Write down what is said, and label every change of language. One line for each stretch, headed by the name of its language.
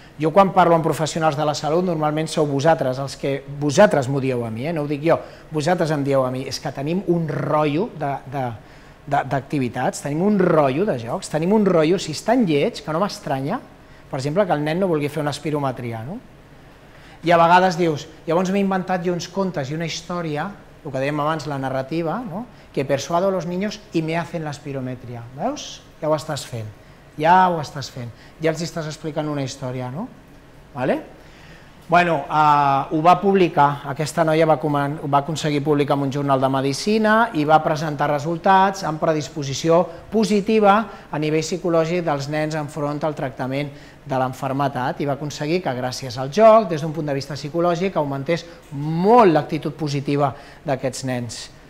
Catalan: Jo quan parlo amb professionals de la salut normalment sou vosaltres els que, vosaltres m'ho dieu a mi, no ho dic jo, vosaltres em dieu a mi, és que tenim un rotllo d'activitats, tenim un rotllo de jocs, tenim un rotllo, si estan lleig, que no m'estranya, per exemple, que el nen no vulgui fer una espirometria, no? I a vegades dius, llavors m'he inventat jo uns contes i una història, el que dèiem abans, la narrativa, no?
Spanish: Que persuado a los niños y me hacen la espirometria, veus?
Catalan: Ja ho estàs fent. Ja ho estàs fent, ja els estàs explicant una història, no? Vale? Bueno, ho va publicar, aquesta noia va aconseguir publicar en un jornal de medicina i va presentar resultats amb predisposició positiva a nivell psicològic dels nens enfront al tractament de l'enfermetat i va aconseguir que gràcies al joc, des d'un punt de vista psicològic, augmentés molt l'actitud positiva d'aquests nens